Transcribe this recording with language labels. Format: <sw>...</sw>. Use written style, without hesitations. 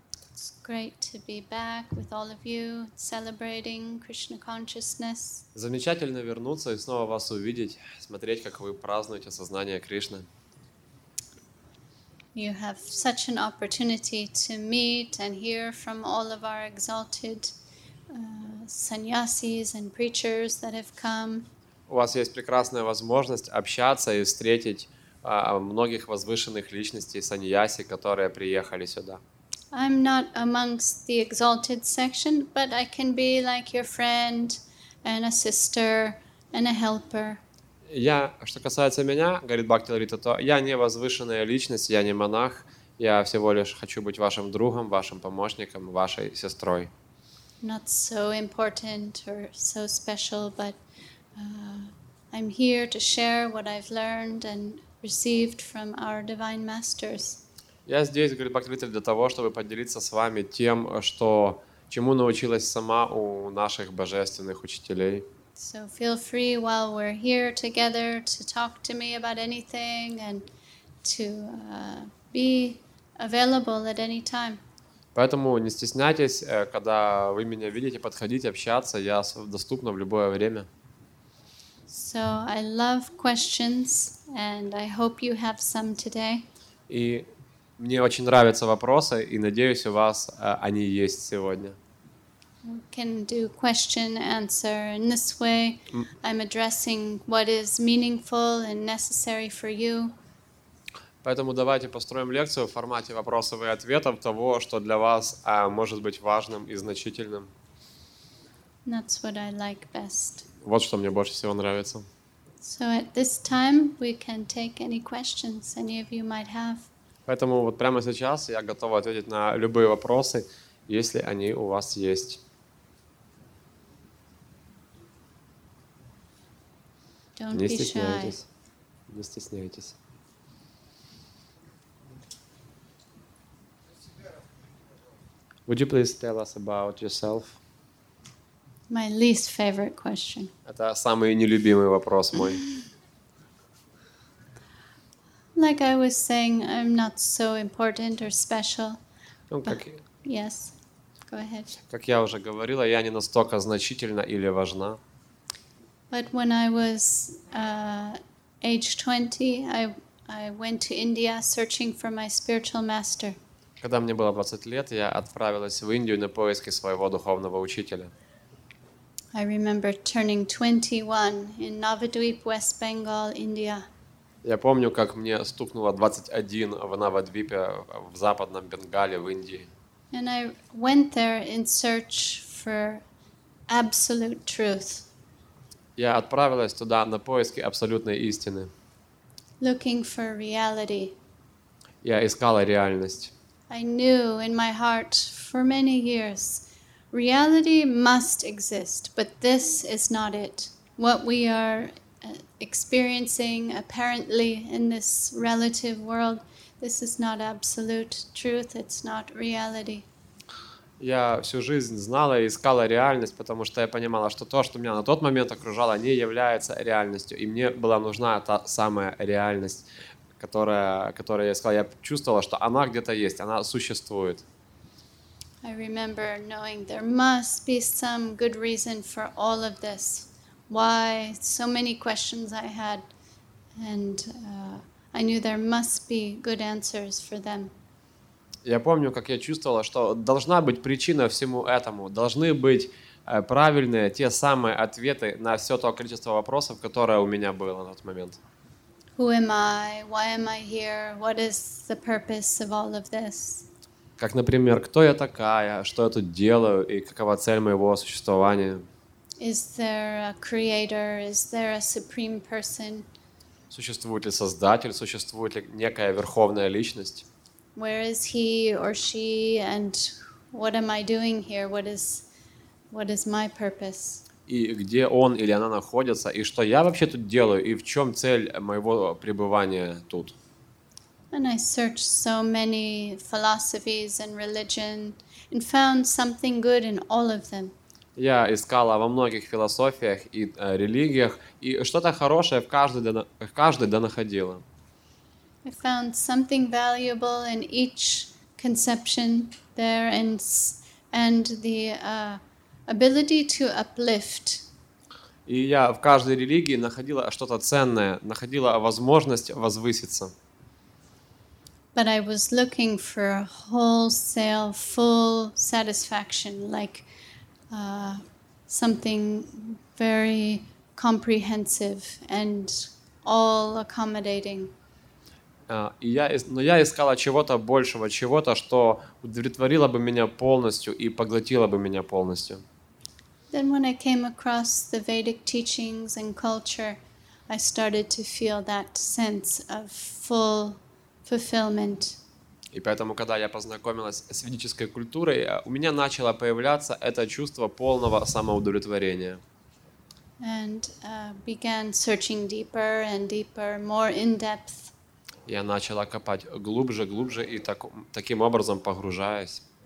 <en>It's great to be back with all of you celebrating Krishna consciousness.</en> <ru>Замечательно вернуться и снова вас увидеть, смотреть, как вы празднуете сознание Кришны.</ru> <en>You have such an opportunity to meet and hear from all of our exalted sannyasis and preachers that have come.</en> <ru>У вас есть прекрасная возможность общаться и встретить многих возвышенных личностей саньяси, которые приехали сюда.</ru> <en>I'm not amongst the exalted section, but I can be like your friend and a sister and a helper.</en> <ru>Я, что касается меня, говорит Бхакти Ларита, то я не возвышенная личность, я не монах, я всего лишь хочу быть вашим другом, вашим помощником, вашей сестрой.</ru> <en>Not so important or so special, but I'm here to share what I've learned and received from our divine masters.</en> <ru>Я здесь, говорит Бхакти Ларита, для того, чтобы поделиться с вами тем, что чему научилась сама у наших божественных учителей.</ru> <en>So feel free while we're here together to talk to me about anything and to be available at any time.</en> <ru>Поэтому не стесняйтесь, когда вы меня видите, подходите, общаться, я доступна в любое время.</ru> <en>So I love questions and I hope you have some today.</en> <ru>И мне очень нравятся вопросы, и надеюсь, у вас они есть сегодня.</ru> <en>We can do question-answer in this way. I'm addressing what is meaningful and necessary for you.</en> <ru>Поэтому давайте построим лекцию в формате вопросов и ответов того, что для вас может быть важным и значительным.</ru> <en>That's what I like best.</en> <ru>Вот что мне больше всего нравится.</ru> <en>So at this time we can take any questions any of you might have.</en> <ru>Поэтому вот прямо сейчас я готова ответить на любые вопросы, если они у вас есть.</ru> <en>Don't</en> <ru>не стесняйтесь. Не стесняйтесь.</ru> <en>Would you please tell us about yourself? My least favorite question.</en> <ru>Это самый нелюбимый вопрос мой.</ru> <en>Like I was saying, I'm not so important or special. Yes. Go ahead.</en> <ru>Как я уже говорила, я не настолько значительна или важна.</ru> <en>But when I was age 20, I went to India searching for my spiritual master.</en> <ru>Когда мне было 20 лет, я отправилась в Индию на поиски своего духовного учителя.</ru> <en>I remember turning 21 in Navadvip, West Bengal, India.</en> <ru>Я помню, как мне стукнуло 21 в Навадвипе, в западном Бенгале, в Индии.</ru> <en>And I went there in search for absolute truth.</en> <ru>Я отправилась туда на поиски абсолютной истины.</ru> <en>Looking for reality.</en> <ru>Я искала реальность.</ru> <en>I knew in my heart for many years, reality must exist, but this is not it. What we are experiencing apparently in this relative world, this is not absolute truth, it's not reality.</en> <ru>Я всю жизнь знала и искала реальность, потому что я понимала, что то, что меня на тот момент окружало, не является реальностью, и мне была нужна та самая реальность. Которая, я сказал, я чувствовала, что она где-то есть, она существует.</ru> <en>I remember knowing there must be some good reason for all of this. Why so many questions I had, and I knew there must be good answers for them.</en> <ru>Я помню, как я чувствовала, что должна быть причина всему этому, должны быть правильные те самые ответы на все то количество вопросов, которое у меня было на тот момент.</ru> <en>Who am I? Why am I here? What is the purpose of all of this?</en> <ru>Как, например, кто я такая, что я тут делаю и какова цель моего существования?</ru> <en>Is there a creator? Is there a supreme person?</en> <ru>Существует ли создатель? Существует ли некая верховная личность?</ru> <en>Where is he or she? And what am I doing here? What is my purpose?</en> <ru>И где он или она находится, и что я вообще тут делаю, и в чем цель моего пребывания тут.</ru> <en>And I searched so many philosophies and religion and found something good in all of them.</en> <ru>Я искала во многих философиях и религиях, и что-то хорошее в каждой донаходила.</ru> <en>I found something valuable in each conception. there and the ability to uplift.</en> <ru>И я в каждой религии находила что-то ценное, находила возможность возвыситься.</ru> <en>But I was looking for wholesale, full satisfaction, like something very comprehensive and all accommodating.</en> <ru>Но я искала чего-то большего, чего-то, что удовлетворило бы меня полностью и поглотило бы меня полностью.</ru> <en>Then when I came across the Vedic teachings and culture, I started to feel that sense of full fulfillment.</en> <ru>И поэтому, когда я познакомилась с ведической культурой, у меня начало появляться это чувство полного самоудовлетворения.</ru> <en>And began searching deeper and deeper, more in depth.</en> <ru>Я начала копать глубже, глубже и таким образом погружаясь.</ru>